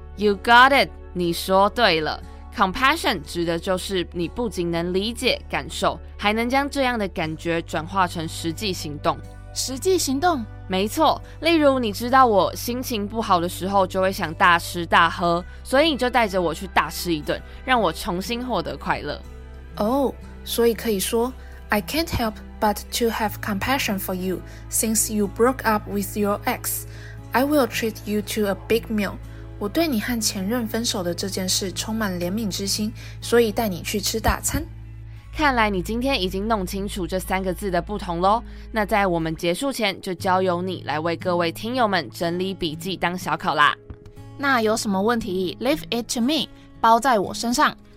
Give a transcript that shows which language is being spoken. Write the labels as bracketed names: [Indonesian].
[English] ？ You got it， [Chinese] 你说对了。Compassion 指的就是你不仅能理解感受，还能将这样的感觉转化成实际行动。实际行动？没错，例如你知道我心情不好的时候就会想大吃大喝，所以你就带着我去大吃一顿，让我重新获得快乐。 [English] Oh， [Chinese] 所以可以说 [English] I can't help but to have compassion for you since you broke up with your ex. I will treat you to a big meal. [Chinese] 我对你和前任分手的这件事充满怜悯之心，所以带你去吃大餐。看来你今天已经弄清楚这三个字的不同咯。那在我们结束前，就交由你来为各位听友们整理笔记当小考啦。那有什么问题 ？ [English] Leave it to me， [Chinese] 包在我身上。